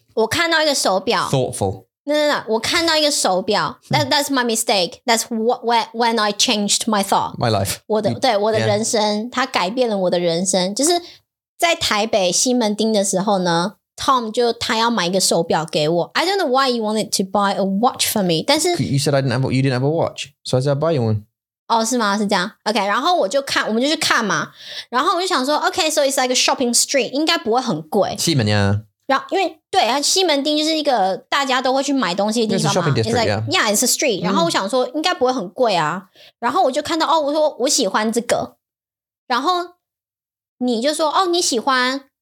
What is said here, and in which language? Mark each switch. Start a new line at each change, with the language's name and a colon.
Chinese: 我看到一个手表。
English: Thoughtful. No.
Chinese: 我看到一个手表。
English: That's my mistake. That's when I changed my thought. My life.
Chinese: 我的人生， yeah. 它改变了我的人生。就是在台北西门町的时候呢 ，Tom 就他要买一个手表给我。
English: I don't know why you wanted to buy a watch for me.
Chinese: 但是
English: you said you didn't have a watch, so I said I'll buy you one.
Chinese: 哦，是吗？是这样。 OK， 然后我们就去看嘛。然后我就想说 ，OK，
English: so it's like a shopping street，
Chinese: 应该不会很贵。西门呀。然后因为对啊，西门町就是一个大家都会去买东西的地方嘛。
English: It's a shopping district, it's like, yeah. Yeah, it's a street.、
Chinese: 然后我想说，应该不会很贵啊。然后我就看到，哦，我说我喜欢这个。然后你就说，哦，你喜欢？